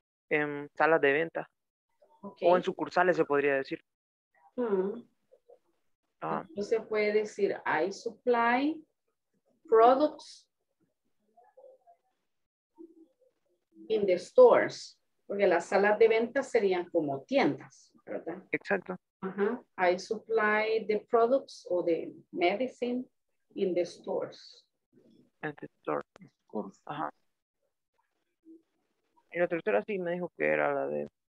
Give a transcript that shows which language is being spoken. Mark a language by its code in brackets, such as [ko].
[es] En salas de venta. Okay. O en sucursales, se podría decir. Uh-huh. Ah. Entonces se puede decir, [en] I supply products in the stores. [es] Porque las salas de venta serían como tiendas, ¿verdad? Exacto. Uh-huh. [en] I supply the products or the medicine in the stores. In the stores. Ajá. [es] Y la tercera sí me dijo que era la de...